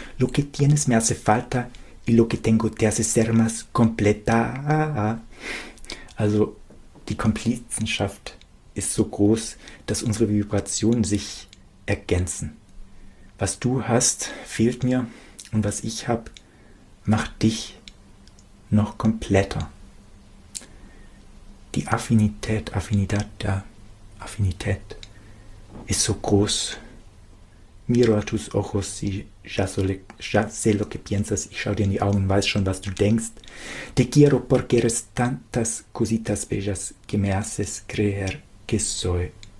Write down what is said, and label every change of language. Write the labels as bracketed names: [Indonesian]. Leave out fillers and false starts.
[Spanish] Lo que tienes me hace falta y lo que tengo te hace ser más completa. [German] Also die Komplizenschaft ist so groß, dass unsere Vibrationen sich ergänzen. Was du hast, fehlt mir und was ich habe, macht dich noch kompletter. Die Affinität ist so groß. [Spanish] Mira tus ojos y ya sé lo que piensas. [German] Ich schaue dir in die Augen und weiß schon, was du denkst. [Spanish] Te quiero porque eres tantas cositas bellas que me haces creer que soy.